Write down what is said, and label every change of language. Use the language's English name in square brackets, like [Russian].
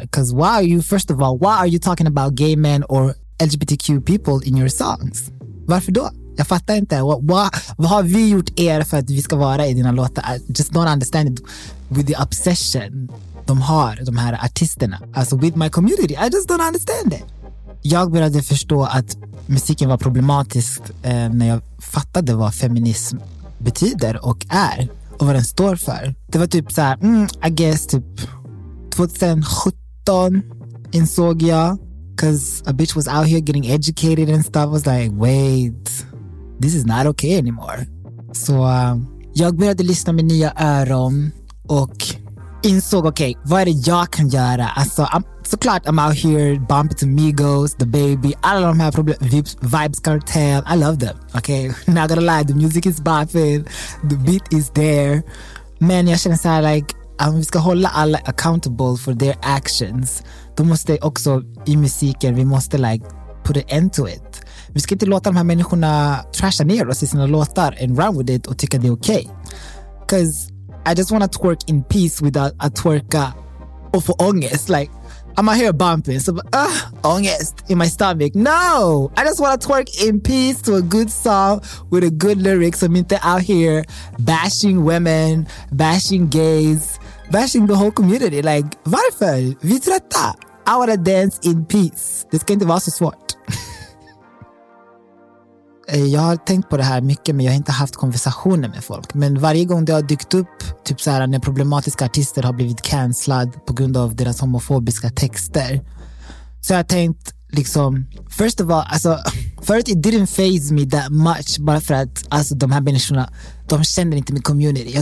[English] Because why are you, first of all, why are you talking about gay men or LGBTQ people in your songs? [Swedish] Varför då? Jag fattar inte. Vad har vi gjort er för att vi ska vara i dina låtar? [English] I just don't understand it with the obsession [Swedish] de har, de här artisterna. Alltså [English] with my community. I just don't understand it. [Swedish] Jag började förstå att musiken var problematisk när jag fattade vad feminism betyder och är och vad den står för. Det var typ så här, [English] I guess [Swedish] typ 2017 insåg jag, [English] because a bitch was out here getting educated and stuff. I was like, wait, this is not okay anymore. [Swedish] Så jag började lyssna med nya öron och insåg, okej, vad är det jag kan göra? Alltså, såklart, [English] I'm out here bumping to Migos, The Baby, [Swedish] alla de här problemen, [English] Vibes Cartel, I love them, okej? Okay? Not gonna lie, the music is bopping, the beat is there. [Swedish] Men jag känner såhär, like, om vi ska hålla alla [English] accountable for their actions, [Swedish] då måste också i musiken, vi måste, like, [English] put an end to it. [Swedish] Vi ska inte låta de här människorna trasha ner oss i sina låtar [English] and run with it [Swedish] och tycka det är okej. [English] Okay. Because I just want to twerk in peace without a twerka or for ongest. Like, I'm out here bumping. So, ongest in my stomach. No! I just want to twerk in peace to a good song with a good lyric. So, I'm not out here bashing women, bashing gays, bashing the whole community. Like, [Swedish] varför? Vi trötta. [English] I want to dance in peace. [Swedish] Det ska inte vara så svårt. Jag har tänkt på det här mycket, men jag har inte haft konversationer med folk. Men varje gång det har dykt upp, typ så här, när problematiska artister har blivit cancelled på grund av deras homofobiska texter, så jag har tänkt liksom, [English] first of all, [Swedish] alltså, [English] first it didn't faze me that much, [Swedish] bara för att alltså, de här människorna, de känner inte min community.